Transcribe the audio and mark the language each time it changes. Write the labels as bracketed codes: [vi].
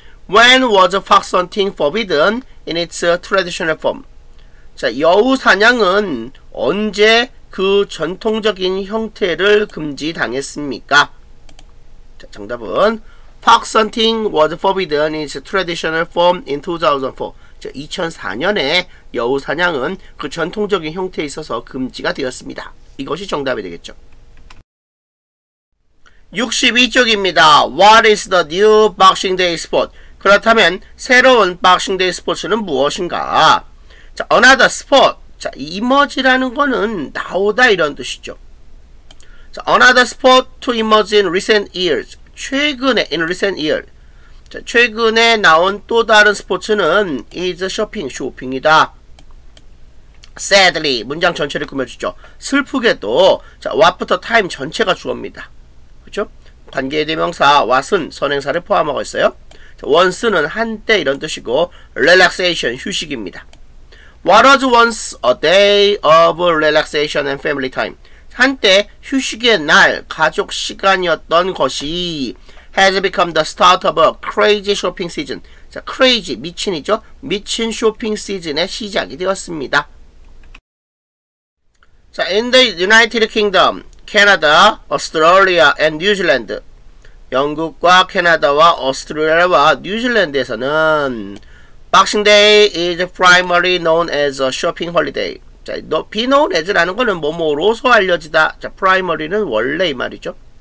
[en] When was fox hunting forbidden in its traditional form? [ko] 자, 여우 사냥은 언제 그 전통적인 형태를 금지당했습니까? 자, 정답은 [en] Fox hunting was forbidden in its traditional form in 2004. [ko] 자, 2004년에 여우 사냥은 그 전통적인 형태에 있어서 금지가 되었습니다. 이것이 정답이 되겠죠. 62쪽입니다. [en] What is the new Boxing Day sport? [ko] 그렇다면 새로운 Boxing Day sports는 무엇인가? 자, [en] another sport. [ko] 자, emerge라는 거는 나오다 이런 뜻이죠. [en] 자, another sport to emerge in recent years. [ko] 최근에, [en] in recent years. [ko] 자, 최근에 나온 또 다른 스포츠는 [en] is shopping, [ko] 쇼핑이다. Sadly, 문장 전체를 꾸며주죠. 슬프게도, 자, what time 전체가 주어입니다. 그쵸? 관계대명사 what은 선행사를 포함하고 있어요. 자, once는 한때 이런 뜻이고, relaxation, 휴식입니다. [en] What was once a day of relaxation and family time? [ko] 한때 휴식의 날, 가족 시간이었던 것이 [en] has become the start of a crazy shopping season. [ko] 자, crazy, 미친이죠? 미친 쇼핑 시즌의 시작이 되었습니다. [en] 자, in the United Kingdom, Canada, Australia, and New Zealand. [ko] 영국과 캐나다와 오스트레일리아와 뉴질랜드에서는 [en] Boxing Day is primarily known as a shopping holiday. [ko] 자, be known as라는 거는 뭐뭐로서 알려지다. 자, primary는 원래 이 말이죠.